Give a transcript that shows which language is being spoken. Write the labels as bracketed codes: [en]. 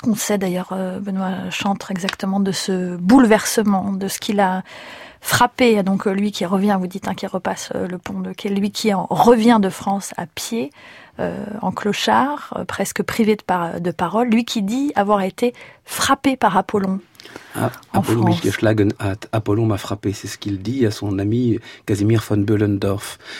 [fr] Qu'est-ce qu'on sait d'ailleurs, Benoît Chantre, exactement de ce bouleversement, de ce qu'il a frappé, donc lui qui revient, vous dites, hein, qui repasse le pont de Quai, lui qui en revient de France à pied, en clochard, presque privé de parole, lui qui dit avoir été frappé par Apollon. [de] Ah, Apollon mich geschlagen hat. [fr] Apollon m'a frappé, c'est ce qu'il dit à son ami Casimir von Böllendorf.